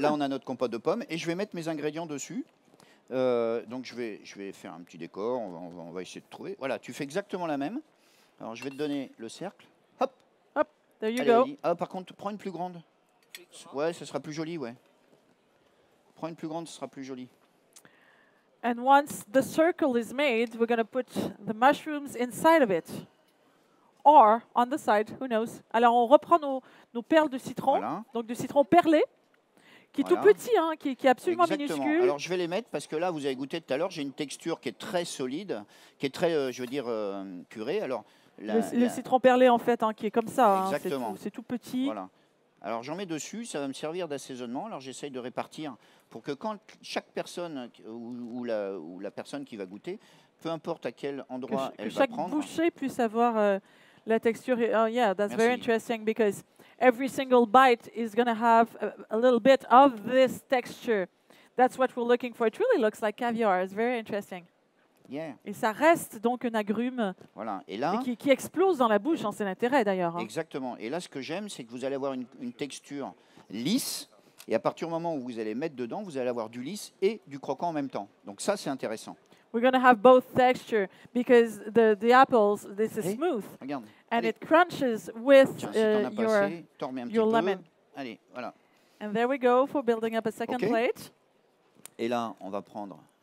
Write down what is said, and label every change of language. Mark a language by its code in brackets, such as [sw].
[fr] Là, on a notre compote de pommes. Et je vais mettre mes ingrédients dessus. Donc, je vais faire un petit décor. On va essayer de trouver. Voilà, tu fais exactement la même. Alors, je vais te donner le cercle. Hop. [en] Hop, there you go. [fr] Ah, par contre, prends une plus grande. Ouais, ce sera plus joli, ouais. Prends une plus grande, ce sera plus joli. [en] And once the circle is made, we're going to put the mushrooms inside of it. Or on the side, who knows? [fr] Alors on reprend nos perles de citron, voilà. Donc de citron perlé, qui est voilà. Tout petit, hein, qui est absolument minuscule. Alors je vais les mettre parce que là, vous avez goûté tout à l'heure, j'ai une texture qui est très solide, qui est très, je veux dire, purée. Alors le citron perlé en fait, hein, qui est comme ça. Exactement. Hein, c'est tout petit. Voilà. Alors j'en mets dessus, ça va me servir d'assaisonnement. Alors j'essaye de répartir pour que quand chaque personne ou la personne qui va goûter, peu importe à quel endroit elle va prendre, que chaque bouchée puisse avoir la texture, [en] oh yeah, that's very interesting because every single bite is going to have a little bit of this texture. That's what we're looking for. It really looks like caviar. It's very interesting. Yeah. [fr] Et ça reste donc un agrume, voilà. Et là, qui explose dans la bouche, hein, c'est l'intérêt d'ailleurs. Hein. Exactement. Et là, ce que j'aime, c'est que vous allez avoir une texture lisse. Et à partir du moment où vous allez mettre dedans, vous allez avoir du lisse et du croquant en même temps. Donc ça, c'est intéressant. [en] We're going to have both texture because the apples, this is smooth. [fr] Regarde. [en] And it crunches with your lemon. [fr] Allez, voilà. [en] And there we go for building up a second plate. [fr] Et là, on va prendre